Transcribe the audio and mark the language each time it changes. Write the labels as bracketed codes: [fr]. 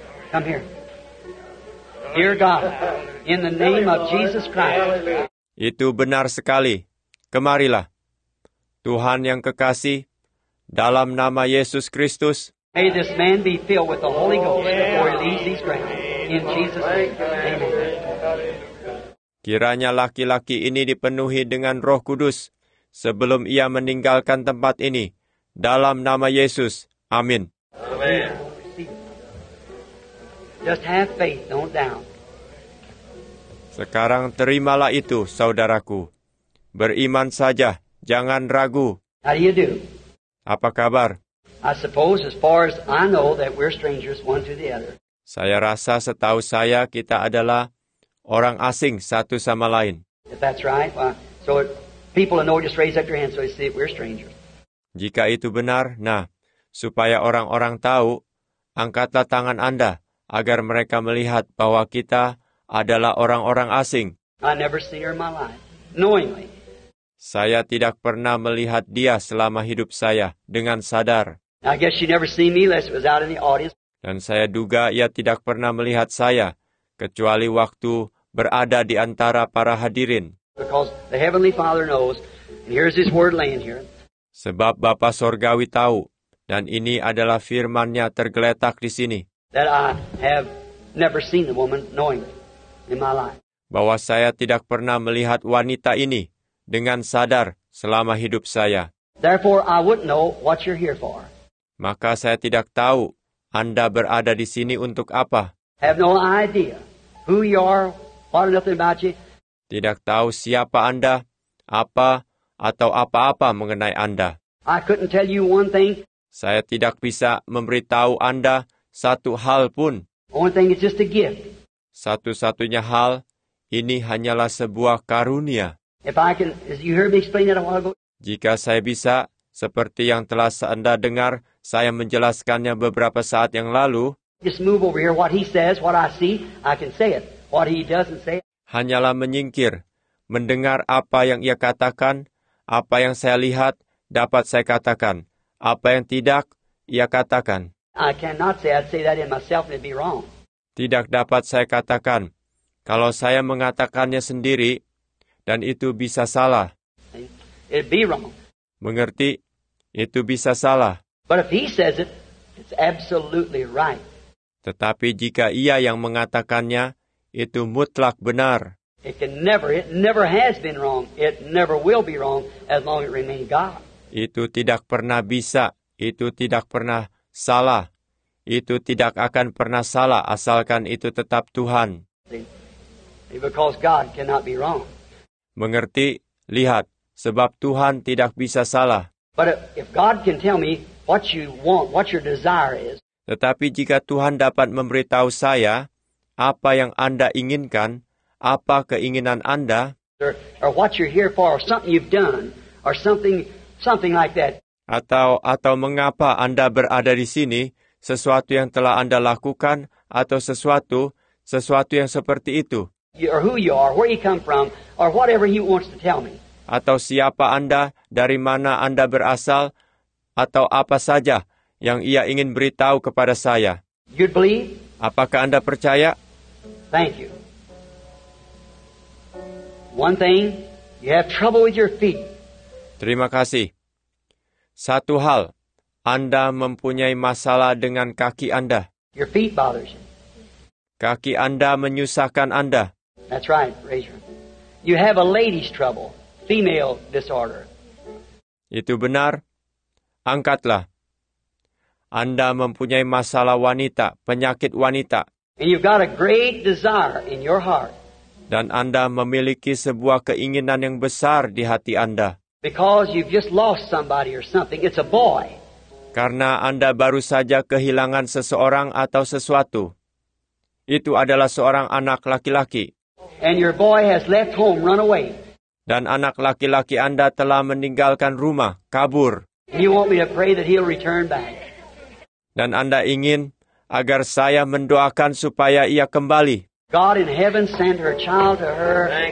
[en] Come here. Dear God, in the name of Jesus Christ. [id] Itu benar sekali. Kemarilah. Tuhan yang kekasih, dalam nama Yesus Kristus. [en] May this man be filled with the Holy Ghost before he leaves these grounds. In Jesus' name, amen. [id] Kiranya laki-laki ini dipenuhi dengan Roh Kudus sebelum ia meninggalkan tempat ini. Dalam nama Yesus, amin. [en] Amen. Just have faith, don't doubt. [id] Sekarang terimalah itu, saudaraku. Beriman saja. Jangan ragu. [en] How do you do? [id] Apa kabar? [en] I suppose as far as I know that we're strangers one to the other. [id] Saya rasa setahu saya kita adalah orang asing satu sama lain. [en] If that's right, so people know just raise up your hand so they see we're strangers. [id] Jika itu benar, nah, supaya orang-orang tahu, angkatlah tangan Anda agar mereka melihat bahwa kita adalah orang-orang asing. [en] I never seen her in my life, knowingly. [id] Saya tidak pernah melihat dia selama hidup saya dengan sadar. [en] I guess she never seen me unless it was out in the audience. [id] Dan saya duga ia tidak pernah melihat saya kecuali waktu berada di antara para hadirin. [en] Because the Heavenly Father knows, and here's His word laying here. [id] Sebab Bapa Sorgawi tahu, dan ini adalah Firman-Nya tergeletak di sini. [en] That I have never seen the woman knowing in my life. [id] Bahwa saya tidak pernah melihat wanita ini dengan sadar selama hidup saya. [en] Therefore, I wouldn't know what you're here for. [id] Maka saya tidak tahu Anda berada di sini untuk apa. [en] Have no idea who you are, what nothing about you. [id] Tidak tahu siapa Anda, apa atau apa-apa mengenai Anda. [en] I couldn't tell you one thing. [id] Saya tidak bisa memberitahu Anda satu hal pun. [en] One thing is just a gift. [id] Satu-satunya hal ini hanyalah sebuah karunia. [en] If I can, as you heard me explain that a while ago. [id] Jika saya bisa, seperti yang telah Anda dengar, saya menjelaskannya beberapa saat yang lalu. [en] Just move over here. What he says, what I see, I can say it. What he doesn't say. [id] Hanyalah menyingkir, mendengar apa yang ia katakan, apa yang saya lihat dapat saya katakan, apa yang tidak ia katakan. [en] I cannot say I'd say that in myself and it'd be wrong. [id] Tidak dapat saya katakan, kalau saya mengatakannya sendiri. Dan itu bisa salah. [en] It'd be wrong. [id] Mengerti? Itu bisa salah. [en] But if he says it, it's absolutely right. [id] Tetapi jika ia yang mengatakannya, itu mutlak benar. [en] It never has been wrong. It never will be wrong as long as it remains God. [id] Itu tidak pernah bisa. Itu tidak pernah salah. Itu tidak akan pernah salah asalkan itu tetap Tuhan. [en] See? Because God cannot be wrong. [id] mengerti, lihat, sebab Tuhan tidak bisa salah. [en] But if God can tell me what you want, what your desire is. [id] Tetapi jika Tuhan dapat memberitahu saya apa yang Anda inginkan, apa keinginan Anda, [en] or what you're here for, or something you've done, or something like that. [id] Atau mengapa Anda berada di sini, sesuatu yang telah Anda lakukan, atau sesuatu yang seperti itu. [en] Or who you are, where you come from, or whatever he wants to tell me. [id] Atau siapa Anda, dari mana Anda berasal, atau apa saja yang ia ingin beritahu kepada saya. [en] You'd believe? [id] Apakah Anda percaya? [en] Thank you. One thing, you have trouble with your feet. [id] Terima kasih. Satu hal, Anda mempunyai masalah dengan kaki Anda. [en] Your feet bothers you. [id] Kaki Anda menyusahkan Anda. [en] That's right, raise your hand. You have a lady's trouble, female disorder. [id] Itu benar. Angkatlah. Anda mempunyai masalah wanita, penyakit wanita. [en] And you've got a great desire in your heart. [id] Dan Anda memiliki sebuah keinginan yang besar di hati Anda. [en] Because you've just lost somebody or something, it's a boy. [id] Karena Anda baru saja kehilangan seseorang atau sesuatu. Itu adalah seorang anak laki-laki. [en] And your boy has left home, run away. [id] Dan anak laki-laki Anda telah meninggalkan rumah, kabur. [en] You want me to pray that he'll return back. [id] Dan Anda ingin agar saya mendoakan supaya ia kembali. [en] God in heaven send her child to her.